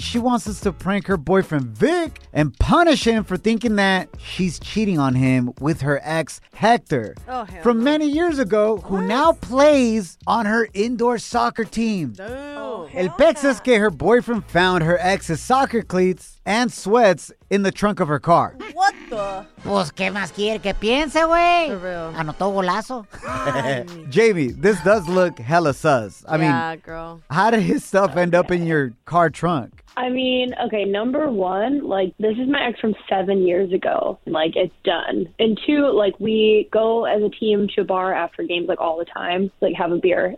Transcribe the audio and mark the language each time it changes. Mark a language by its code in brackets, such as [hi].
[en] She wants us to prank her boyfriend Vic and punish him for thinking that she's cheating on him with her ex Hector. Oh, hell from no. Many years ago, what? Who now plays on her indoor soccer team. Oh, [es] el pex es que [en] her boyfriend found her ex's soccer cleats and sweats in the trunk of her car. What the? [es] Pues, ¿qué más quiere que piense, güey? [en] For real. [es] Anotó golazo. [en] Jamie, this does look hella sus. I mean, girl. How did his stuff end up in your car trunk? I mean, okay, number one, like, this is my ex from 7 years ago. Like, it's done. And two, like, we go as a team to a bar after games, like, all the time, like, have a beer.